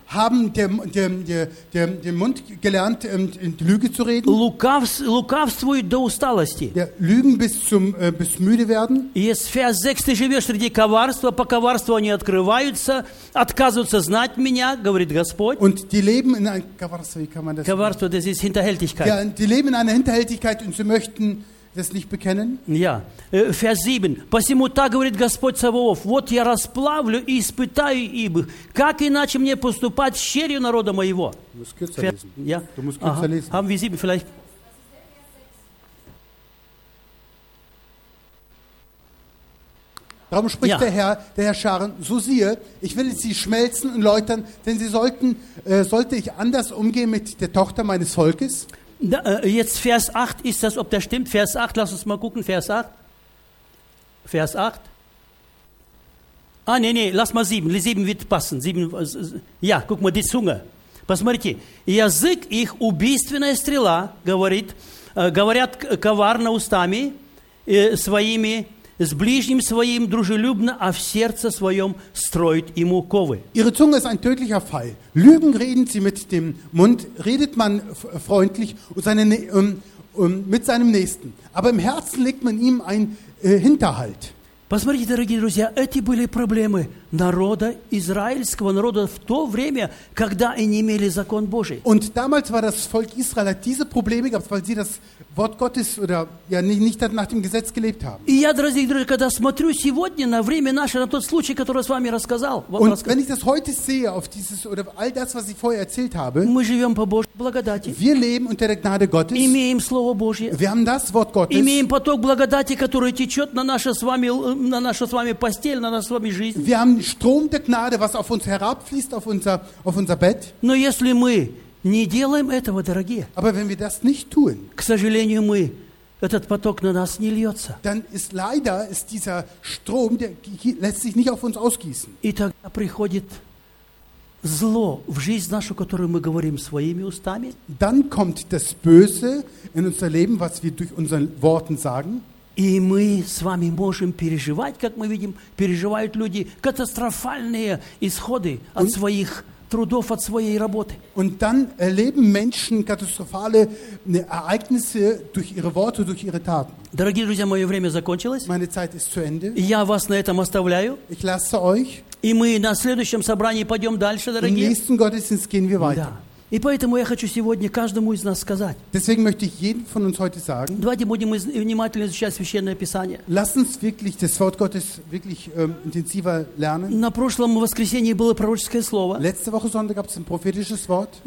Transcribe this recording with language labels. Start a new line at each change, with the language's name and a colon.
German: haben den Mund gelernt, Lüge zu reden.
Russian: Лукавствуют до усталости.
German: Lügen bis müde werden.
Russian: Иезефия 6, ты живешь среди коварства, по коварству они открываются, отказываются знать меня, говорит Господь.
German: Und die leben in einer Коварство, wie kann man das sagen? Коварство, das ist Hinterhältigkeit. Ja, die leben in einer Hinterhältigkeit und sie möchten das nicht bekennen. Ja, Vers 7.
Russian: Посему так говорит Господь Саваоф: вот я расплавлю и испытаю их, как иначе мне поступать с щерью народа моего?
German: Du musst kürzer lesen. Haben wir 7 vielleicht? Darum spricht ja. der Herr Scharen, so siehe, ich will sie schmelzen und läutern, denn sie sollten, sollte ich anders umgehen mit der Tochter meines Volkes? Da, jetzt Vers 8, ist das, ob das stimmt? Vers 8, lass uns mal gucken, Vers 8. Vers 8. Ah, nee, lass mal 7, 7 wird passen. 7, ja, guck mal, die Zunge.
Russian: Посмотрите, язык их убийственная стрела, говорит, говорят коварно устами своими, с ближним своим дружелюбно, а в сердце своем строит ему ковы.
German: Ihre Zunge ist ein tödlicher Pfeil. Lügen reden sie mit dem Mund, redet man freundlich und mit seinem Nächsten. Aber im Herzen legt man ihm einen Hinterhalt.
Russian: Посмотрите, дорогие друзья, эти были проблемы народа израильского, народа в то время, когда они имели закон Божий.
German: Und damals war das Volk Israel, hat diese Probleme gehabt, weil sie das Wort Gottes oder ja nicht nach dem Gesetz gelebt haben.
Russian: И я, дорогие друзья, когда смотрю сегодня на время наше, на тот случай, который с вами рассказал,
German: Und wenn ich das heute sehe, auf dieses oder all das, was ich vorher erzählt habe,
Russian: мы живем по Божьей благодати.
German: Wir leben unter der Gnade Gottes.
Russian: Имеем Слово Божье.
German: Wir haben das Wort Gottes.
Russian: Имеем поток благодати, который течет на наше с вами на нашу с вами постель, на нашу с вами жизнь.
German: Wir haben Strom der Gnade, was auf uns herabfließt, auf unser Bett.
Russian: Но если мы не делаем этого, дорогие,
German: aber wenn wir das nicht tun,
Russian: к сожалению, мы этот поток на нас не льется.
German: Dann ist leider ist dieser Strom, der lässt sich nicht auf uns ausgießen.
Russian: И тогда приходит зло в жизнь нашу, которую мы говорим своими устами.
German: Dann kommt das Böse in unser Leben, was wir durch unsere Worte sagen.
Russian: И мы с вами можем переживать, как мы видим, переживают люди катастрофальные исходы от своих трудов, от своей работы.
German: Und dann erleben Menschen katastrophale Ereignisse durch ihre Worte, durch ihre Taten.
Russian: Дорогие друзья, мое время закончилось.
German: Meine Zeit ist zu Ende.
Russian: Я вас на этом оставляю.
German: Ich lasse euch.
Russian: И мы на следующем собрании пойдем дальше, дорогие.
German: Im nächsten Gottesdienst gehen wir weiter.
Russian: Да. И поэтому я хочу сегодня каждому из нас сказать.
German: Deswegen möchte ich jedem von uns heute sagen.
Russian: Давайте будем внимательно изучать Священное Писание.
German: Lass uns wirklich das Wort Gottes wirklich intensiver lernen.
Russian: На прошлом воскресенье было пророческое слово.
German: Letzte Woche Sonntag gab es ein prophetisches Wort.